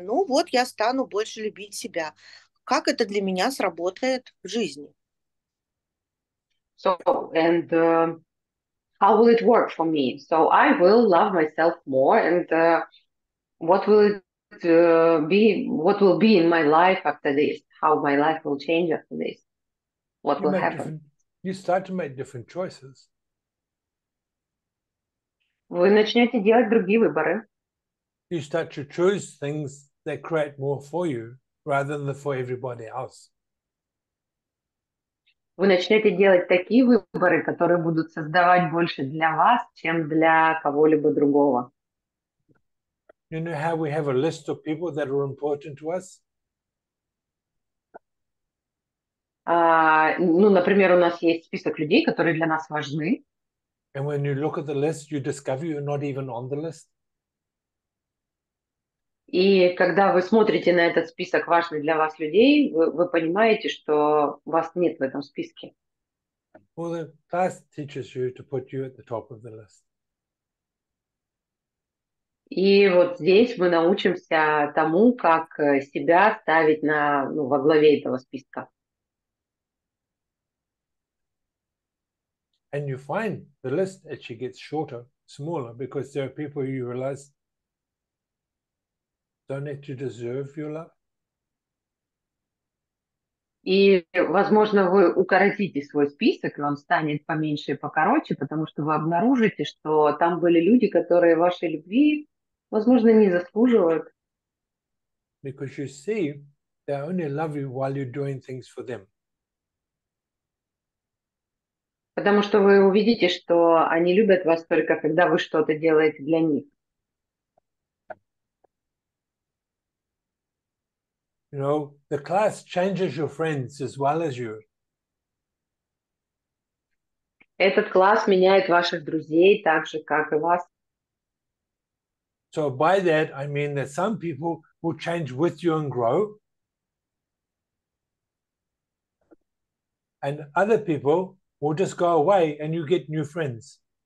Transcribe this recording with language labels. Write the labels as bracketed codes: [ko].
[ru] Ну вот я стану больше любить себя. Как это для меня сработает в жизни? [en] So and how will it work for me? So I will love myself more and what will it be? What will be in my life after this? How my life will change after this? What you will happen? You start to make different choices. [ru] Вы начнете делать другие выборы. [en] You start to choose things that create more for you rather than for everybody else. [ru] Вы начнете делать такие выборы, которые будут создавать больше для вас, чем для кого-либо другого. [en] You know how we have a list of people that are important to us? [ru] Ну, например, у нас есть список людей, которые для нас важны. [en] And when you look at the list, you discover you're not even on the list. [ru] И когда вы смотрите на этот список важных для вас людей, вы понимаете, что вас нет в этом списке. [en] Well, the class teaches you to put you at the top of the list. [ru] И вот здесь мы научимся тому, как себя ставить на, ну, во главе этого списка. [en] And you find the list actually gets shorter, smaller, because there are people you realize don't actually deserve your love. [ru] И, возможно, вы укоротите свой список, и вам станет поменьше и покороче, потому что вы обнаружите, что там были люди, которые вашей любви, возможно, не заслуживают. [en] Because you see, they only love you while you're doing things for them. [ru] Потому что вы увидите, что они любят вас только, когда вы что-то делаете для них. [en] You know, the class changes your friends as well as you. [ru] Этот класс меняет ваших друзей так же, как и вас. [en] So by that, I mean that some people will change with you and grow. And other people will just go away and you get new friends.